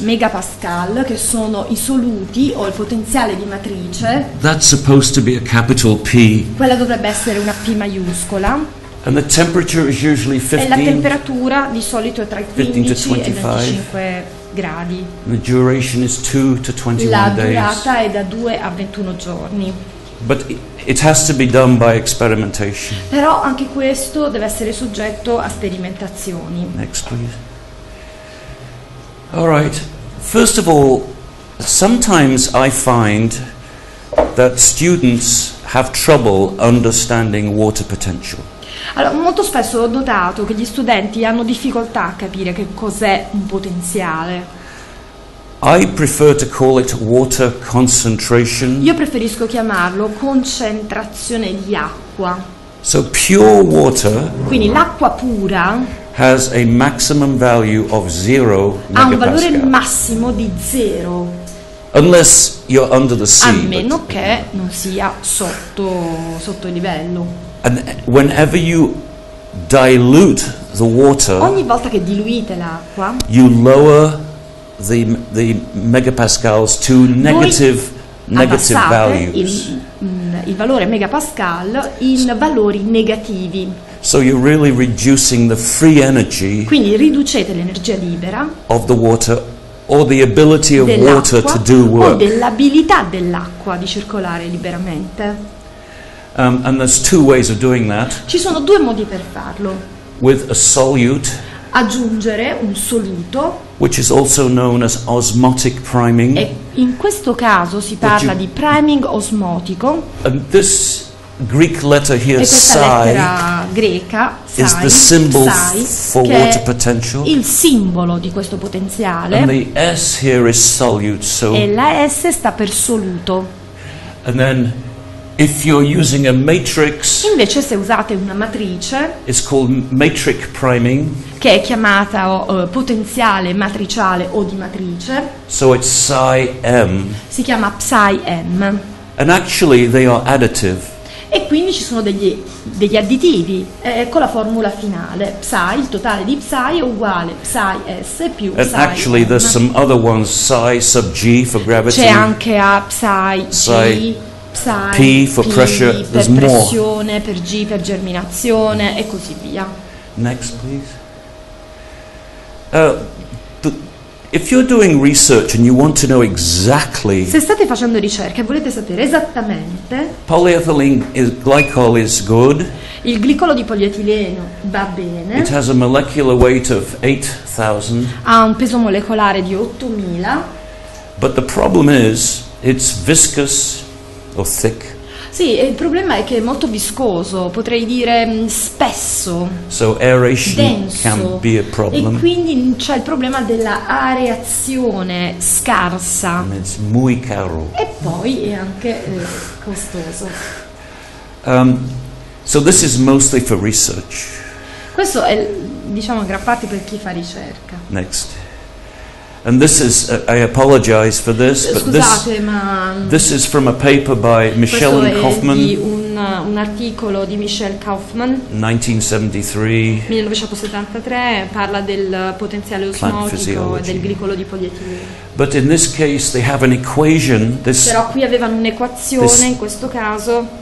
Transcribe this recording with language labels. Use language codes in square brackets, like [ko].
[it] Megapascal, che sono i soluti o il potenziale di matrice. [en] That's supposed to be a capital P. [it] Quella dovrebbe essere una P maiuscola. [en] And the temperature is usually 15. [it] E la temperatura di solito è tra i 15 e i 25 gradi. [en] The duration is 2 to 21 days. [it] La durata è da 2 a 21 giorni. [en] But it has to be done by experimentation. [it] Però anche questo deve essere soggetto a sperimentazioni. [en] Next, please. All right. First of all, sometimes I find that students have trouble understanding water potential. [it] Allora, molto spesso ho notato che gli studenti hanno difficoltà a capire che cos'è un potenziale. [en] I prefer to call it water concentration. [it] Io preferisco chiamarlo concentrazione di acqua. [en] So pure water. [it] Quindi l'acqua pura [en] has a maximum value of 0 [it] megapascal. Ha un valore massimo di 0. [en] Unless you're under the sea. [it] A meno che non sia sotto il livello. [en] And whenever you dilute the water, [it] ogni volta che diluite l'acqua, [en] you lower the megapascals to negative negative values. [it] Il valore megapascal in valori negativi. [en] So you're really reducing the free energy. [it] Quindi riducete l'energia libera. [en] Of the water, or the ability of water to do work. [it] O dell'abilità dell'acqua di circolare liberamente. [en] And there's two ways of doing that. [it] Ci sono due modi per farlo. [en] With a solute. [it] Aggiungere un soluto. [en] Which is also known as osmotic priming. [it] E in questo caso si parla di priming osmotico. [en] And this Greek letter here, [it] psi, greca, psi, [en] is the symbol for water potential. [it] Il simbolo di questo potenziale. [en] And the S here is solute, so. [it] E la S sta per soluto. [en] And then, if you're using a matrix, [it] invece se usate una matrice, [en] it's called matrix priming, [it] che è chiamata potenziale matriciale o di matrice. [en] So it's psi m. [it] Si chiama psi m. [en] And actually, they are additive. [it] E quindi ci sono degli additivi, ecco la formula finale, psi, il totale di psi è uguale psi s più psi. [en] And actually there's some other ones, psi sub g for gravity. [it] C'è anche a psi g, psi [en] p for pressure, there's more. [it] Per pressione, per g per germinazione e così via. [en] Next please. If you're doing research and you want to know exactly, [it] se state facendo ricerca e volete sapere esattamente, [en] polyethylene is, glycol is good. [it] Il glicolo di polietileno va bene. [en] It has a molecular weight of 8,000. [it] Ha un peso molecolare di 8,000. [en] But the problem is it's viscous or thick. [it] Sì, il problema è che è molto viscoso, potrei dire spesso, [en] so aeration [it] denso, [en] can be a problem. [it] E quindi c'è il problema della areazione scarsa. [en] And it's [es] muy caro. [it] E poi è anche costoso. [en] So this is mostly for research. [it] Questo è, diciamo, a gran parte per chi fa ricerca. [en] Next. And this is, I apologize for this, [it] scusate, [en] but this, [it] ma [en] this is from a paper by Michelle and Kaufman. [it] Questo è di un articolo di Michelle Kaufman. [en] 1973. [it] Parla del potenziale osmotico e del glicolo di polietileno. [en] But in this case they have an equation. This, [it] però qui avevano un'equazione, this, in questo caso.